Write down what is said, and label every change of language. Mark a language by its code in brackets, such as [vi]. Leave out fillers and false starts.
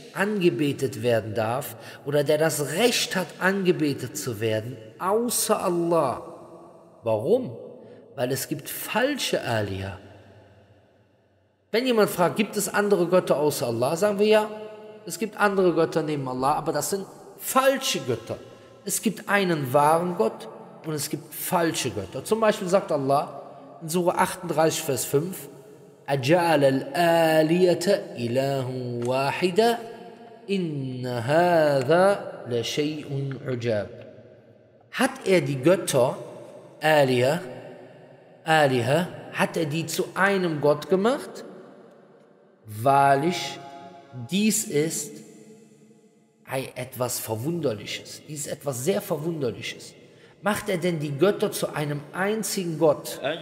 [de] angebetet werden darf oder der das Recht hat, angebetet zu werden, außer Allah. Warum? Weil es gibt falsche Aliyah. Wenn jemand fragt, gibt es andere Götter außer Allah, sagen wir ja, es gibt andere Götter neben Allah, aber das sind falsche Götter. Es gibt einen wahren Gott und es gibt falsche Götter. Zum Beispiel sagt Allah in Sura 38, Vers 5, [ar] أَجَعَلَ الْآلِيَةَ إِلَهُ وَاحِدَ إِنَّ هَذَا لَشَيْءٌ عُجَابٌ. [de] Hat er die Götter, Aliha, hat er die zu einem Gott gemacht? Wahrlich, dies ist etwas Verwunderliches. Dies ist etwas sehr Verwunderliches. Macht er denn die Götter zu einem einzigen Gott?